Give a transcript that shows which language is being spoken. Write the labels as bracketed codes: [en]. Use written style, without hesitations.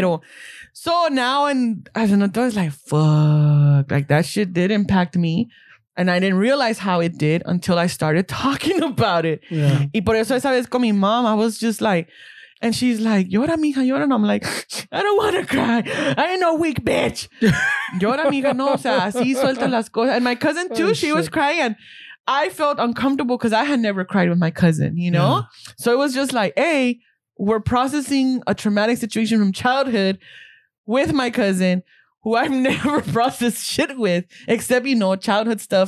[en] Pero, so now, and as an adult, it's like, fuck. Like, that shit did impact me. And I didn't realize how it did until I started talking about it. Yeah. [es] Y por eso esa vez con mi mom, [en] I was just like, and she's like, [es] llora, mija, llora. [en] And I'm like, I don't want to cry. I ain't no weak bitch. [es] Llora, mija, no. O sea, así suelta las cosas. [en] And my cousin too, she was crying. And I felt uncomfortable because I had never cried with my cousin, you know? Yeah. So it was just like, hey, we're processing a traumatic situation from childhood with my cousin, who I've never processed shit with, except, you know, childhood stuff.